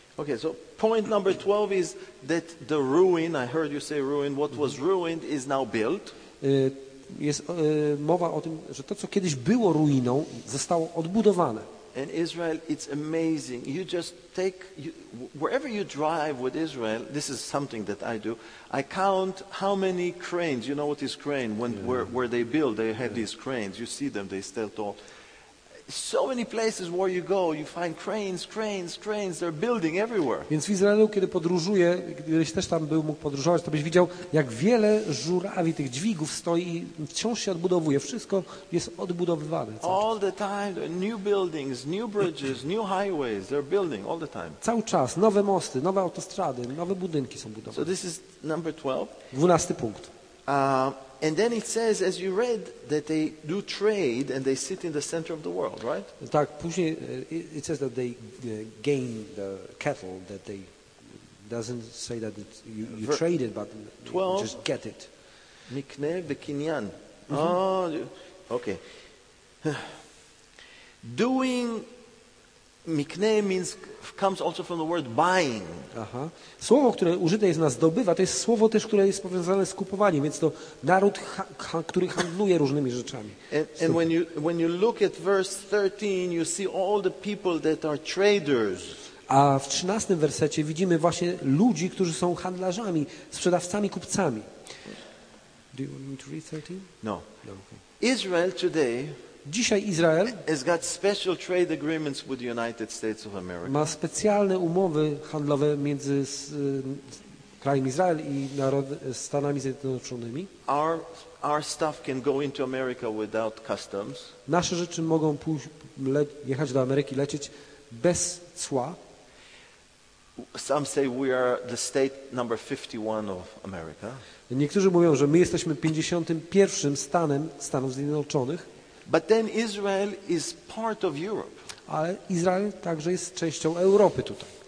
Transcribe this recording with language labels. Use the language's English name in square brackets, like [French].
[English] Okay, so point number 12 is that the ruin, I heard you say ruin, what was ruined is now built. [Polish] Jest mowa o tym, że to, co kiedyś było ruiną, zostało odbudowane. [English] And Israel, it's amazing. You just take, wherever you drive with Israel, this is something that I do, I count how many cranes, you know what is crane, when yeah. where they build, they have yeah. these cranes, you see them, they're still tall. So many places where you go, you find cranes, they're building everywhere. [Polish] Więc w Izraelu, kiedy podróżuję, kiedyś też tam był, mógł podróżować, to byś widział, jak wiele żurawi, tych dźwigów stoi i wciąż się odbudowuje. Wszystko jest odbudowywane. [English] All the time, new buildings, new bridges, new highways, they're building all the time. [Polish] Cały czas, nowe mosty, nowe autostrady, nowe budynki są budowane. [English] So this is number 12. [Polish] 12 punkt. [English] And then it says, as you read, that they do trade and they sit in the center of the world, right? [Polish] Tak, później [English] it says that they gain the cattle, that they doesn't say that you trade it, but 12, just get it. [Hebrew] Mikne bekinyan. [English] Oh, okay. Doing mikne means comes also from the word buying. Aha. [Polish] Słowo, które użyte jest na zdobywa, to jest słowo też, które jest powiązane z kupowaniem, więc to naród, który handluje różnymi rzeczami. [English] And when you look at verse 13, you see all the people that are traders. [Polish] A w 13 wersecie widzimy właśnie ludzi, którzy są handlarzami, sprzedawcami, kupcami. [English] Do you want me to read 13? No. No, okay. Israel today. [Polish] Dzisiaj Izrael [English] has got special trade agreements with the United States of America. [Polish] Ma specjalne umowy handlowe między krajem Izrael i Stanami Zjednoczonymi. [English] Our stuff can go into America without customs. [Polish] Nasze rzeczy mogą pójść, jechać do Ameryki, lecieć bez cła. [English] Some say we are the state number 51 of America. [Polish] Niektórzy mówią, że my jesteśmy 51. stanem Stanów Zjednoczonych. [English] But then Israel is part of Europe. [Polish] Ale Izrael także jest częścią Europy tutaj.